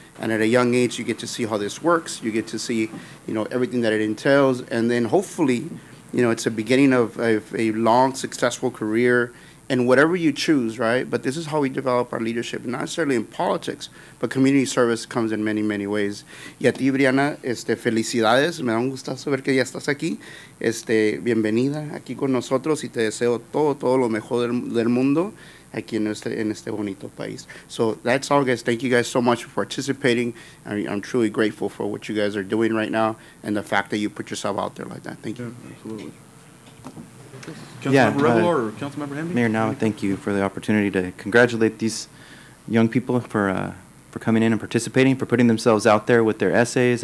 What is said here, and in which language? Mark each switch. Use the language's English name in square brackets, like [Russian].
[English] And at a young age, you get to see how this works. You get to see, you know, everything that it entails. And then hopefully, you know, it's a beginning of a long, successful career in whatever you choose, right? But this is how we develop our leadership, not necessarily in politics, but community service comes in many, many ways. [Spanish] Y a ti, Briana, felicidades. Me da un gusto saber que ya estás aquí. Bienvenida aquí con nosotros y te deseo todo lo mejor del mundo. Aquí en este bonito país. [English] So that's all, guys. Thank you guys so much for participating. I'm truly grateful for what you guys are doing right now and the fact that you put yourself out there like that. Thank you. Yeah, absolutely. Councilmember Revelo or Councilmember Hemby? Mayor Nava, thank you for the opportunity to congratulate these young people for coming in and participating, for putting themselves out there with their essays.